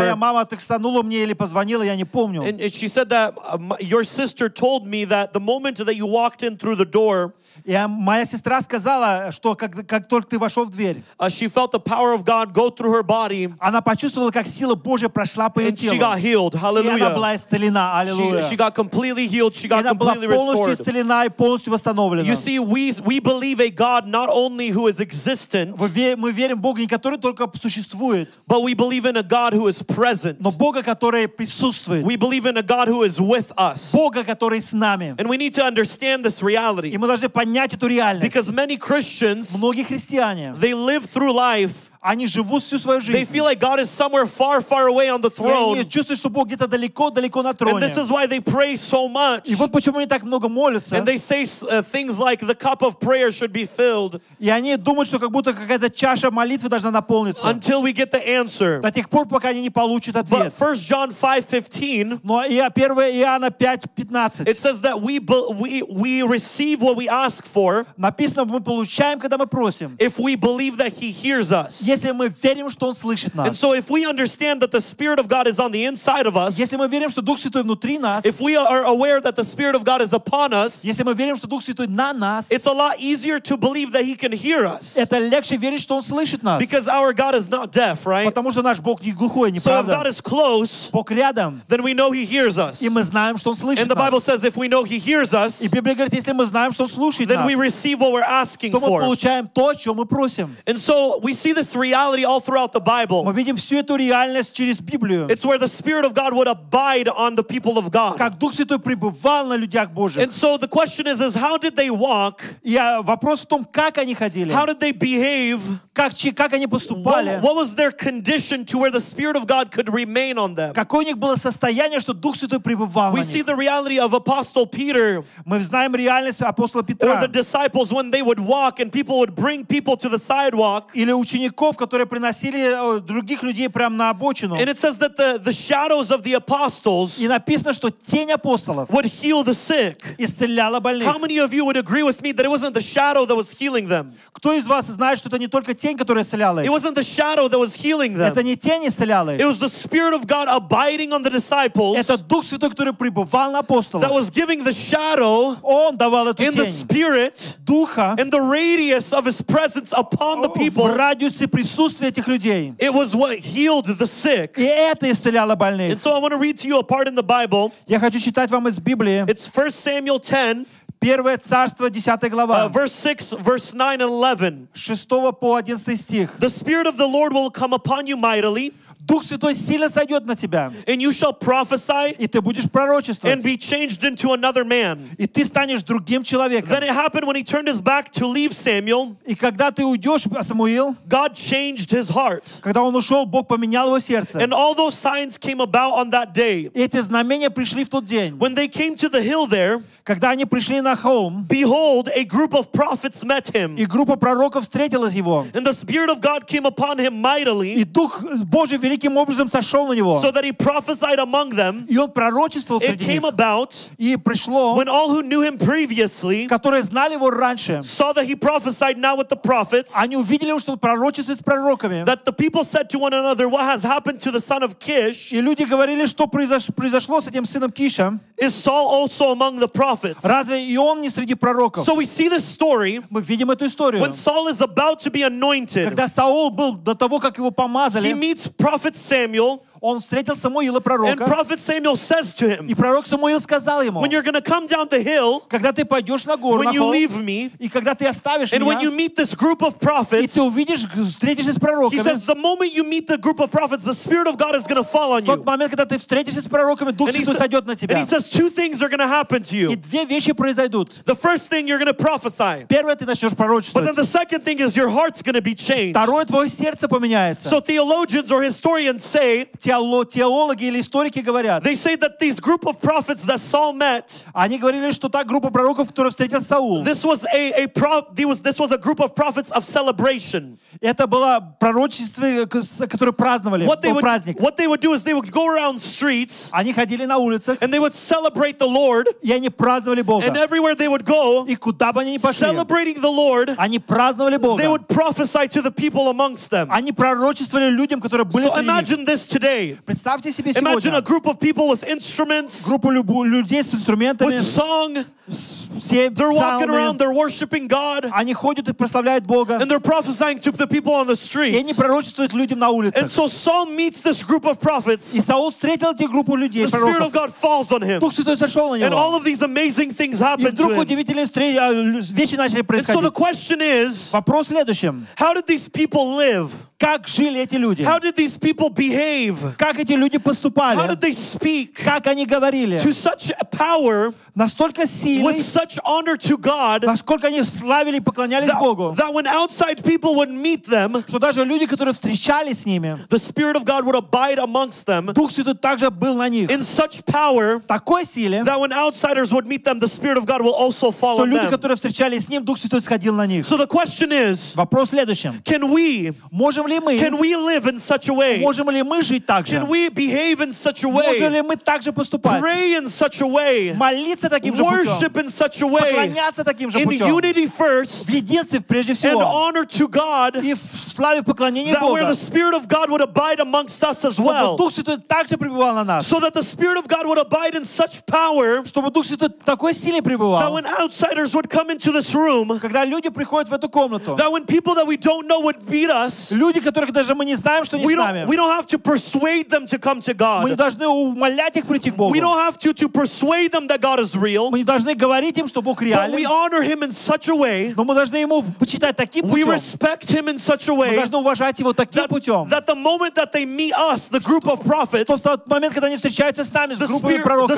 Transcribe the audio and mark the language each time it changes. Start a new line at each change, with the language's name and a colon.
Russian: И моя мама текстанула мне или позвонила, я не помню.
English: And she said that your sister told me that the moment that you walked in through the door.
Russian: И моя сестра сказала, что как только ты вошел в дверь.
English: She felt the power of God go through her body.
Russian: Она почувствовала, как сила Божья прошла по ее телу.
English: And she got healed. Hallelujah.
Russian: И она была исцелена. Hallelujah.
English: She got completely healed. She got completely restored.
Russian: И она была полностью исцелена и полностью восстановлена.
English: You see, we believe a God not only who is existent.
Russian: Мы верим в Бога, не который только существует.
English: But we believe in a God who is present.
Russian: Но Бога, который присутствует.
English: We believe in a God who is with us.
Russian: Бога, который с нами.
English: And we need to understand this reality.
Russian: И мы должны понять.
English: Because many Christians,
Russian: многие христиане,
English: they live through life.
Russian: Они живут всю свою жизнь.
English: They feel like God is somewhere far, far away on the throne.
Russian: И они чувствуют, что Бог где-то далеко, далеко на троне.
English: And this is why they pray so much.
Russian: И вот почему они так много молятся.
English: And they say things like the cup of prayer should be filled.
Russian: И они думают, что как будто какая-то чаша молитвы должна наполниться.
English: Until we get the answer.
Russian: До тех пор, пока они не получат ответ.
English: But 1 John 5:15.
Russian: Но и 1 Иоанна 5:15.
English: It says that we receive what we ask for.
Russian: Написано, мы получаем, когда мы просим.
English: If we believe that He hears us.
Russian: Если мы верим, что Он слышит нас.
English: And so if we understand that the Spirit of God is on the inside of us,
Russian: если мы верим, что Дух Святой внутри нас,
English: if we are aware that the Spirit of God is upon us,
Russian: если мы верим, что Дух Святой на нас,
English: it's a lot easier to believe that He can hear us.
Russian: Это легче верить, что Он слышит нас.
English: Because our God is not deaf, right?
Russian: Потому что наш Бог не глухой, не правда?
English: So if God is close,
Russian: Бог рядом,
English: then we know He hears us.
Russian: И мы знаем, что Он слышит нас.
English: And the Bible says if we know He hears us,
Russian: и Библия говорит, если мы знаем, что Он слушает нас,
English: then we receive what we're asking for.
Russian: То мы получаем то, чего мы просим.
English: And so we see this reality all throughout the Bible.
Russian: Мы видим всю эту реальность через Библию.
English: It's where the Spirit of God would abide on the people of God.
Russian: Как Дух Святой пребывал на людях Божьих.
English: And so the question is how did they walk?
Russian: И вопрос в том, как они ходили.
English: How did they behave?
Russian: Как они поступали?
English: What was their condition to where the Spirit of God could remain on them?
Russian: Какое у них было состояние, что Дух Святой пребывал на них?
English: We see the reality of Apostle Peter.
Russian: Мы знаем реальность апостола Петра.
English: Or the disciples when they would walk and people would bring people to the sidewalk.
Russian: Или ученики, которые приносили других людей прямо на обочину.
English: And it says that the shadows of the apostles,
Russian: и написано, что тень апостолов,
English: would heal the sick,
Russian: исцеляла больных.
English: How many of you would agree with me that it wasn't the shadow that was healing them?
Russian: Кто из вас знает, что это не только тень, которая исцеляла их?
English: It wasn't the shadow that was healing them.
Russian: Это не тень исцеляла их.
English: It was the Spirit of God abiding on the disciples.
Russian: Это Дух Святой, который пребывал на апостолах.
English: That was giving the shadow,
Russian: он давал эту
English: in
Russian: тень,
English: the spirit,
Russian: духа,
English: and the radius of His presence upon the people.
Russian: В радиусе присутствия этих людей.
English: It was what healed the sick.
Russian: И это исцеляло больных.
English: And so I want to read to you a part in the Bible.
Russian: Я хочу читать вам из Библии.
English: It's 1 Samuel 10.
Russian: Первое царство, 10 глава.
English: Verse 6, verse 9 and 11.
Russian: 6 по 11 стих.
English: The Spirit of the Lord will come upon you mightily.
Russian: Дух Святой сильно сойдет на тебя.
English: And you shall prophesy.
Russian: И ты будешь пророчествовать.
English: And be changed into another man.
Russian: И ты станешь другим человеком.
English: Then it happened when he turned his back to leave Samuel.
Russian: И когда ты уйдешь, Самуил,
English: God changed his heart.
Russian: Когда он ушел, Бог поменял его сердце.
English: And all those signs came about on that day.
Russian: И эти знамения пришли в тот день.
English: When they came to the hill there.
Russian: Когда они пришли на холм,
English: behold, a group of prophets met him.
Russian: И группа пророков встретилась его.
English: And the Spirit of God came upon him mightily.
Russian: И Дух Божий великим образом сошел на него.
English: So that he prophesied among them.
Russian: И он пророчествовал среди них.
English: It came about.
Russian: И пришло.
English: When all who knew him previously,
Russian: которые знали его раньше,
English: saw that he prophesied now with the prophets.
Russian: Они увидели, что он пророчествует с пророками.
English: That the people said to one another, what has happened to the son of Kish?
Russian: И люди говорили, что произошло с этим сыном Киша?
English: Is Saul also among the prophets?
Russian: Разве и он не среди пророков?
English: So we see this story.
Russian: Мы видим эту историю.
English: When Saul is about to be anointed.
Russian: Когда Саул был до того, как его помазали.
English: He meets prophet Samuel.
Russian: Он встретил Самуила пророка.
English: And prophet Samuel says to him.
Russian: И пророк Самуил сказал ему.
English: When you're going to come down the hill.
Russian: Когда ты пойдёшь на гору.
English: When you leave me.
Russian: И когда ты оставишь меня.
English: And when you meet this group of prophets.
Russian: И ты увидишь, встретишься с пророками.
English: He says the moment you meet the group of prophets, the spirit of God is going to fall on you.
Russian: В тот момент, когда ты встретишься с пророками, Дух Святой сойдёт на тебя.
English: And he says two things are going to happen to you.
Russian: И две вещи произойдут.
English: The first thing you're going to prophesy.
Russian: Первое, ты начнёшь пророчествовать.
English: But then the second thing is your heart's going to be changed.
Russian: Второе, твоё сердце поменяется.
English: So theologians or historians say.
Russian: Теологи или историки говорят.
English: They say that this group of prophets that Saul met.
Russian: Они говорили, что та группа пророков, которую встретил Саул.
English: This was a group of prophets of celebration.
Russian: Это было пророчество, которое праздновали. Праздник.
English: What they would do is they would go around streets.
Russian: Они ходили на улицах.
English: And they would celebrate the Lord.
Russian: И они праздновали Бога.
English: And everywhere they would go.
Russian: И куда бы они ни пошли.
English: Celebrating the Lord.
Russian: Они праздновали Бога.
English: They would prophesy to the people amongst them.
Russian: Они пророчествовали людям, которые были среди них.
English: So imagine this today.
Russian: Представьте себе сегодня.
English: Imagine a group of people with instruments.
Russian: Группа людей с инструментами.
English: With song. They're walking around, they're worshiping God.
Russian: Они ходят и прославляют Бога.
English: And they're prophesying to the people on the streets.
Russian: И они пророчествуют людям на улицах.
English: And so Saul meets this group of prophets.
Russian: И Саул встретил эту группу людей, пророков.
English: The Spirit of God falls on him.
Russian: Дух Святой сошёл на него.
English: And all of these amazing things happened.
Russian: И вдруг удивительные вещи начали происходить.
English: And so the question is,
Russian: вопрос следующим.
English: How did these people live?
Russian: Как жили эти люди?
English: How did these people behave?
Russian: Как эти люди поступали?
English: How did they speak?
Russian: Как они говорили?
English: To such power,
Russian: настолько силой,
English: with such honor to God,
Russian: насколько они славили и поклонялись Богу.
English: That when outside people would meet them,
Russian: что даже люди, которые встречались с ними,
English: the Spirit of God would abide amongst them.
Russian: Дух Святой также был на них.
English: In such power,
Russian: такой силе,
English: that when outsiders would meet them, the Spirit of God will also fall on them.
Russian: Что люди, которые встречались с ним, Дух Святой сходил на них.
English: So the question is,
Russian: вопрос следующим.
English: Can we,
Russian: можем ли мы,
English: can we live in such a way?
Russian: Можем ли мы жить так же?
English: Can we behave in such a way?
Russian: Можем ли мы так же поступать?
English: Pray in such a way.
Russian: Молиться таким же путём.
English: Worship in such a way.
Russian: Поклоняться таким же путём.
English: In unity first.
Russian: В единстве прежде всего.
English: And honor to God.
Russian: И в славе поклонение Богу.
English: That where the Spirit of God would abide amongst us as well.
Russian: Чтобы Дух Святой также пребывал на нас.
English: So that the Spirit of God would abide in such power.
Russian: Чтобы Дух Святой такой силе пребывал.
English: That when outsiders would come into this room.
Russian: Когда люди приходят в эту комнату.
English: That when people that we don't know would meet us.
Russian: Люди, которых даже мы не знаем, что они с нами.
English: We don't have to persuade them to come to God.
Russian: Мы не должны умолять их прийти к Богу.
English: We don't have to persuade them that God is real.
Russian: Мы не должны говорить им, что Бог реален.
English: But we honor him in such a way.
Russian: Но мы должны ему почитать таким путём.
English: We respect him in such a way.
Russian: Мы должны уважать его таким путём.
English: That the moment that they meet us, the group of prophets.
Russian: В тот момент, когда они встречаются с нами, с группой пророков.